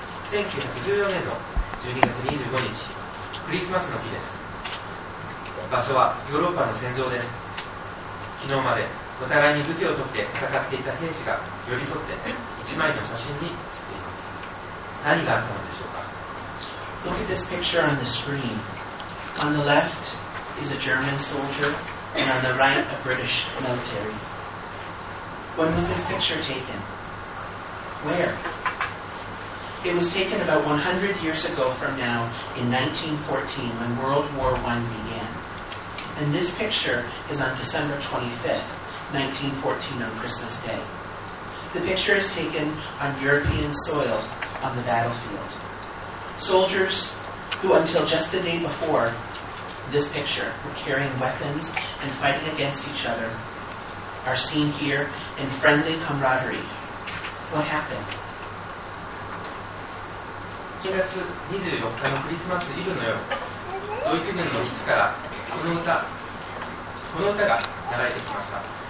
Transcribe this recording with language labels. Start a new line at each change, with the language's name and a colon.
Japanese: 1914年の12月25日、クリスマスの日です。場所はヨーロッパの戦場です。昨日までお互いに武器を取って戦っていた兵士が寄り添って一枚の写真に写っています。何があったのでしょうか。
English: Look at this picture on the screen. On the left is a German soldier, and on the right a British military. When was this picture taken? Where? It was taken about 100 years ago from now in 1914 when World War I began. And this picture is on December 25th, 1914 on Christmas Day. The picture is taken on European soil on the battlefield. Soldiers who until just the day before this picture were carrying weapons and fighting against each other are seen here in friendly camaraderie. What happened?
Japanese: 1月24日のクリスマスイブの夜、ドイツ軍の基地からこの歌が流れてきました。